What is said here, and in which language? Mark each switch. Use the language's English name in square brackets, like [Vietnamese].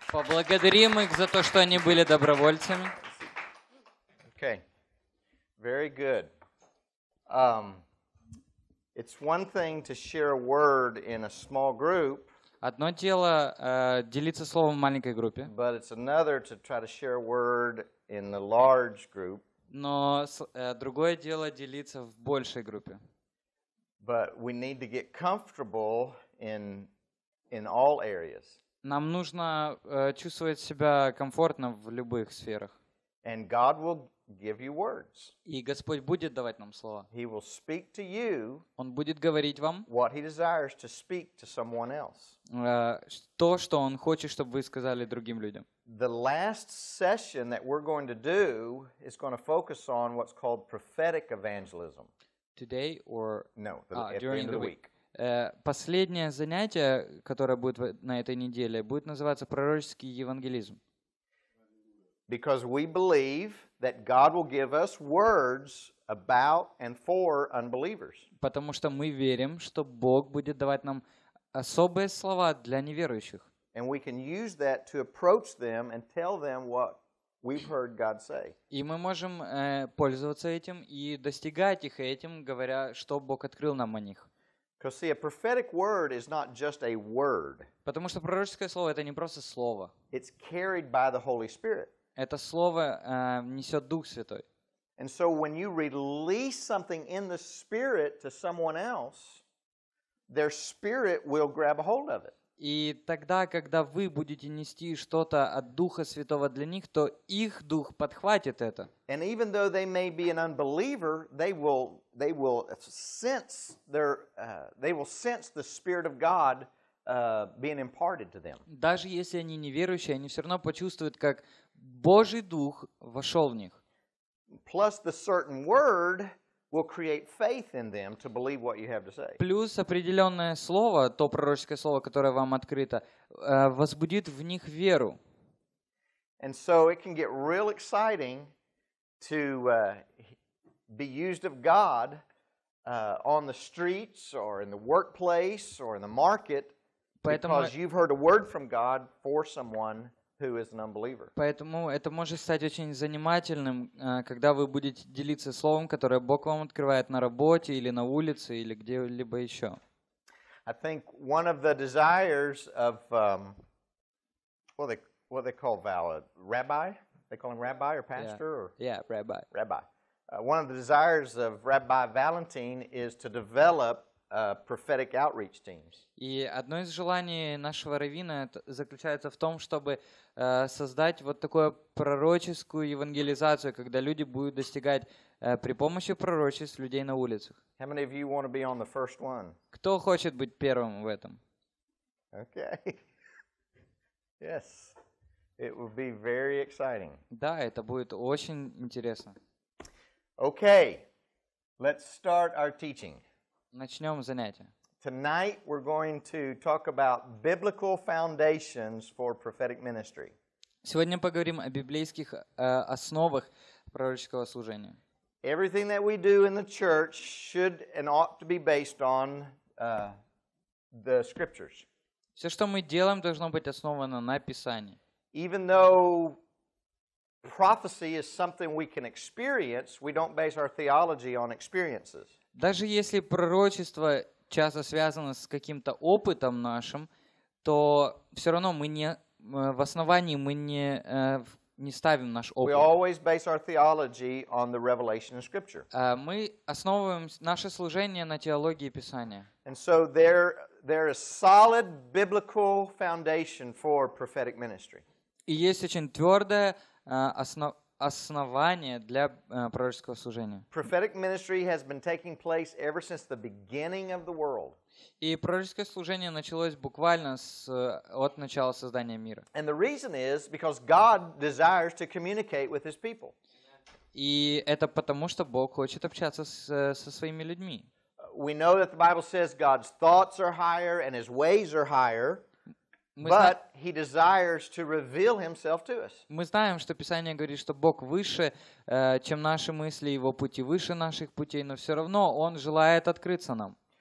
[Russian] Поблагодарим их за то, что они были добровольцами. [English] Okay. Very good. It's one thing to share a word in a small group. [Russian] Одно дело делиться словом в маленькой группе. [English] But it's another to try to share a word in the large group. [Russian] Но другое дело делиться в большей группе. [English] But we need to get comfortable in all areas. [Russian] Нам нужно чувствовать себя комфортно в любых сферах. [English] And God will give you words. [Russian] И Господь будет давать нам слово. [English] He will speak to you. [Russian] Он будет говорить вам. [English] What he desires to speak to someone else. [Russian] То, что он хочет, чтобы вы сказали другим людям. [English] The last session that we're going to do is going to focus on what's called prophetic evangelism. Today or no, during the week. [Russian] Последнее занятие, которое будет на этой неделе, будет называться пророческий евангелизм. [English] Because we believe that God will give us words about and for unbelievers. [Russian] Потому что мы верим, что Бог будет давать нам особые слова для неверующих. [English] And we can use that to approach them and tell them what we've heard God say. [Russian] И мы можем пользоваться этим и достигать их этим, говоря, что Бог открыл нам о них. [English] Because see, a prophetic word is not just a word. [Russian] Потому что пророческое слово это не просто слово. [English] It's carried by the Holy Spirit. [Russian] Это слово несет Дух Святой. [English] And so when you release something in the Spirit to someone else, their spirit will grab a hold of it. [Russian] И тогда, когда вы будете нести что-то от Духа Святого для них, то их дух подхватит это. [English] And even though they may be an unbeliever, they will sense the Spirit of God being imparted to them. [Russian] Даже если они неверующие, они все равно почувствуют, как Божий дух вошел в них. [English] Plus the certain word will create faith in them to believe what you have to say. [Russian] Плюс определенное слово, то пророческое слово, которое вам открыто, возбудит в них веру. [English] And so it can get real exciting to be used of God on the streets or in the workplace or in the market because you've heard a word from God for someone who is an unbeliever. [Russian] Поэтому это может стать очень занимательным, когда вы будете делиться словом, которое Бог вам открывает на работе или на улице или где-либо еще. [English] I think one of the desires of rabbi? They call him rabbi or pastor? Yeah, or? Yeah, rabbi. Rabbi. One of the desires of Rabbi Valentin is to develop prophetic outreach teams. [Russian] И одно из желаний нашего раввина заключается в том, чтобы создать вот такую пророческую евангелизацию, когда люди будут достигать при помощи пророчеств людей на улицах. [English] How many of you want to be on the first one? [Russian] Кто хочет быть первым в этом? [English] Okay. Yes. It will be very exciting. [Russian] Да, это будет очень интересно. [English] Okay. Let's start our teaching. [Russian] Начнем занятие. [English] Tonight we're going to talk about biblical foundations for prophetic ministry. [Russian] Сегодня поговорим о библейских основах пророческого служения. [English] Everything that we do in the church should and ought to be based on the scriptures. [Russian] Все, что мы делаем, должно быть основано на Писании. [English] Even though prophecy is something we can experience, we don't base our theology on experiences. [Russian] Даже если пророчество часто связано с каким-то опытом нашим, то все равно мы не в основании мы не, не ставим наш опыт. [English] We always base our theology on the revelation of Scripture. [Russian] Мы основываем наше служение на теологии Писания. [English] And so there is solid biblical foundation for prophetic ministry. [Russian] И есть очень твердое основание для пророческого служения. [English] Prophetic ministry has been taking place ever since the beginning of the world. [Russian] И пророческое служение началось буквально от начала создания мира. [English] And the reason is because God desires to communicate with his people. [Russian] И это потому, что Бог хочет общаться со своими людьми. [English] We know that the Bible says God's thoughts are higher and his ways are higher. But he desires to reveal himself to us. [Russian] Мы знаем, что Писание говорит, что Бог выше, чем наши мысли, его пути выше наших путей, но все равно он желает открыться нам.